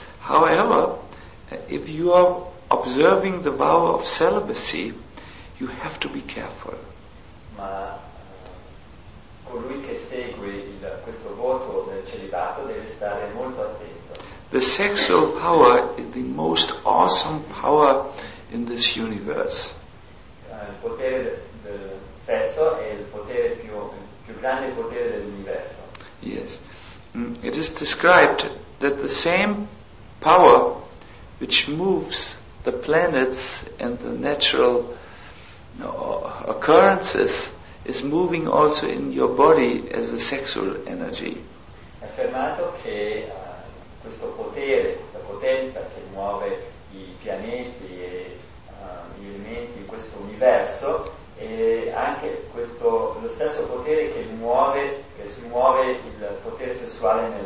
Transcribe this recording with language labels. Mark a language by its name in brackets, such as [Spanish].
[English] However, if you are observing the vow of celibacy, you have to be careful. [Italian] Ma colui che segue questo voto del celibato deve stare molto attento. [English] The sexual power is the most awesome power in this universe. [Italian] Il potere del sesso è il potere più grande potere dell'universo. [English] Yes. It is described that the same power which moves the planets and the natural occurrences is moving also in your body as a sexual energy. [Italian] È affermato che questo potere, questa potenza che muove i pianeti e gli elementi di questo universo, e anche questo, lo stesso potere che si muove il potere sessuale